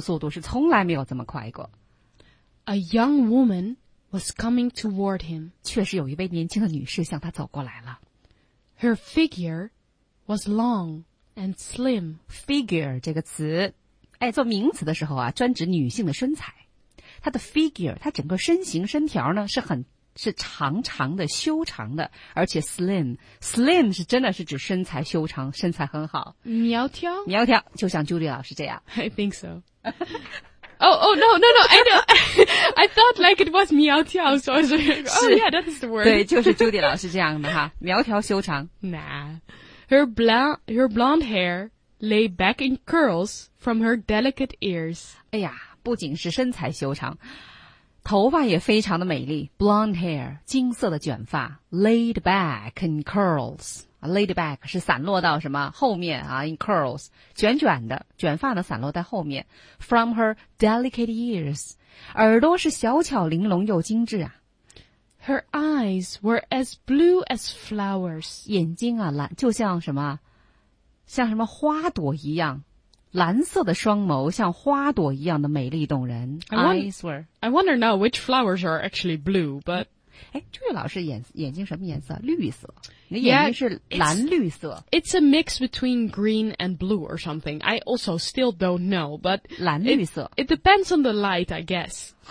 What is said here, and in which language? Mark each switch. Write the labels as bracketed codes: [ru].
[zh] 看来还是个战斗兵,心跳的速度是从来没有这么快过。 [en] A young woman was coming toward him. [zh] 确实有一位年轻的女士向他走过来了。 [en] Her figure was long and slim. [zh] Figure这个词,做名词的时候,专指女性的身材。她的figure,她整个身形身条呢,是很 是长长的,修长的,而且slim,slim是真的是指身材修长,身材很好。苗条? 苗条,就像Julie老师这样。 [en] I think so. Oh, no, I know. I thought like it was 苗条, so I was like, oh yeah, that is the word. [zh] 对,就是Julie老师这样的哈, 苗条修长。 [en] Nah. Her blonde hair lay back in curls from her delicate ears. [zh] 哎呀,不仅是身材修长。头发也非常的美丽, blonde hair, 金色的卷发, [en] laid back in curls. [zh] Laid back 是散落到什么?后面, in curls, 卷卷的, 卷发呢, 散落在后面, [en] from her delicate ears. [zh] 耳朵是小巧玲珑又精致啊。 [en] Her eyes were as blue as flowers. [zh] 眼睛啊, 蓝, 就像什么?像什么花朵一样。蓝色的双眸像花朵一样的美丽动人。 [en] I wonder now which flowers are actually blue, but... [zh] 诶,这位老师眼睛什么颜色? 绿色。你眼睛是蓝绿色。 [en] Yeah, it's a mix between green and blue or something. I also still don't know, but... [zh] 蓝绿色。 [en] It depends on the light, I guess.